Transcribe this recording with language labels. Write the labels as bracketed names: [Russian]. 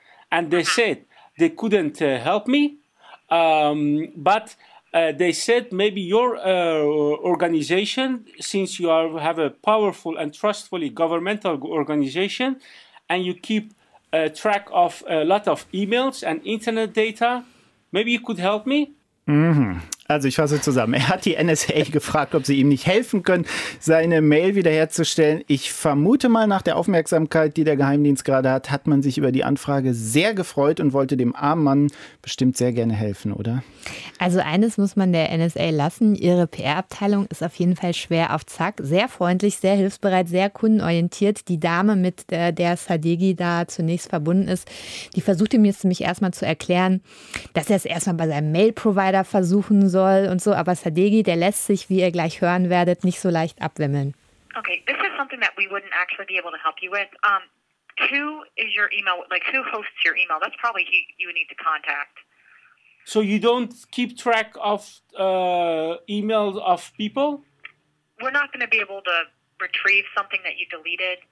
[English] And they said they couldn't help me, but they said maybe your organization, since you have a powerful and trustworthy governmental organization, and you keep track of a lot of emails and internet data, maybe you could help me? [German] Mm-hmm. Also ich fasse zusammen. Er hat die NSA gefragt, ob sie ihm nicht helfen können, seine Mail wiederherzustellen. Ich vermute mal, nach der Aufmerksamkeit, die der Geheimdienst gerade hat, hat man sich über die Anfrage sehr gefreut und wollte dem armen Mann bestimmt sehr gerne helfen, oder? Also eines muss man der NSA lassen. Ihre PR-Abteilung ist auf jeden Fall schwer auf Zack. Sehr freundlich, sehr hilfsbereit, sehr kundenorientiert. Die Dame, mit der Sadeghi da zunächst verbunden ist, die versuchte mir jetzt nämlich erstmal zu erklären, dass er es erstmal bei seinem Mail-Provider versuchen soll und so, aber Sadeghi, der lässt sich, wie ihr gleich hören werdet, nicht so leicht abwimmeln. [English] Okay, this is something that we wouldn't actually be able to help you with. Who is your email, like who hosts your email? That's probably who you need to contact. So you don't keep track of emails of people? We're not going to be able to retrieve something that you deleted.